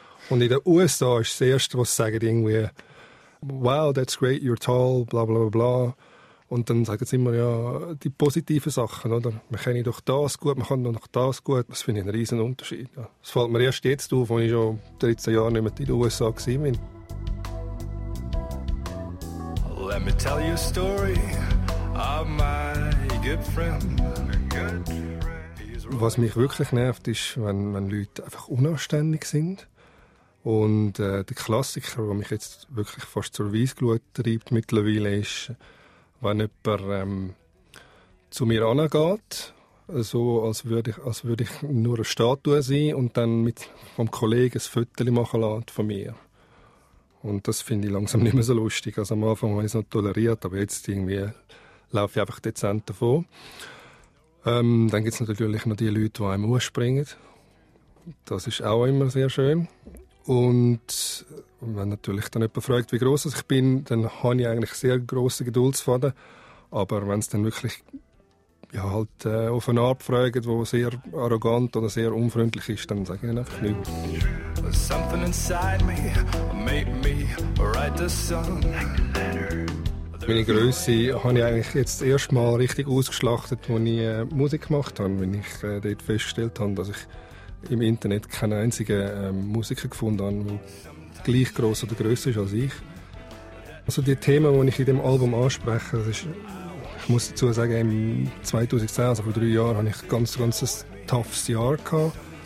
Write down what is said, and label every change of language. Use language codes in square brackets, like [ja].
[de] Und in den USA ist das Erste, was sie sagen, irgendwie, [en] wow, that's great, you're tall, bla bla [de] bla bla. Und dann sagen sie immer, ja, die positiven Sachen, oder? Man kenne doch das gut, man kann doch das gut. Das finde ich einen riesen Unterschied. Ja. Das fällt mir erst jetzt auf, als ich schon 13 Jahre nicht mehr in den USA war. [en] Let me tell you a story of my good friend. [de] Was mich wirklich nervt, ist, wenn Leute einfach unanständig sind. Und der Klassiker, der mich jetzt wirklich fast zur Weissglut treibt mittlerweile, ist, wenn jemand zu mir herangeht, so als würde ich nur eine Statue sein und dann mit vom Kollegen ein Foto machen lässt von mir. Und das finde ich langsam nicht mehr so lustig. Also am Anfang habe ich es noch toleriert, aber jetzt irgendwie laufe ich einfach dezent davon. Dann gibt es natürlich noch die Leute, die einem ausspringen. Das ist auch immer sehr schön. Und wenn natürlich dann jemand fragt, wie gross ich bin, dann habe ich eigentlich sehr grossen Geduldsfaden. Aber wenn es dann wirklich ja, halt, auf eine Art fragt, die sehr arrogant oder sehr unfreundlich ist, dann sage ich einfach nichts. [en] Something inside me made me write the song. [de] Meine Grösse habe ich eigentlich jetzt das erste Mal richtig ausgeschlachtet, als ich Musik gemacht habe, wenn ich dort festgestellt habe, dass ich im Internet keinen einzigen Musiker gefunden habe, der gleich gross oder grösser ist als ich. Also die Themen, die ich in diesem Album anspreche, das ist, ich muss dazu sagen, im 2010, also vor 3 Jahren, hatte ich ein ganz, ganz toughes Jahr gehabt.